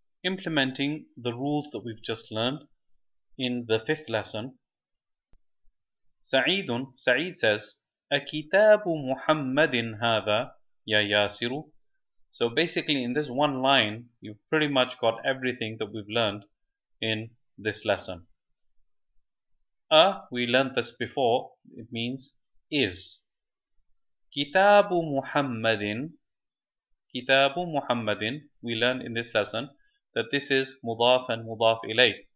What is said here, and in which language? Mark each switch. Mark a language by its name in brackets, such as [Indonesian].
[English] Implementing the rules that we've just learned in the fifth lesson. Sa'id says, [Arabic] أَكِتَابُ مُحَمَّدٍ هَذَا يَا يَاسِرُ. [English] So basically in this one line, you've pretty much got everything that we've learned in this lesson. We learned this before, it means is. [Arabic] كِتَابُ مُحَمَّدٍ. [English] Kitabu Muhammadin, we learned in this lesson that this is mudaf and mudaf ilayh.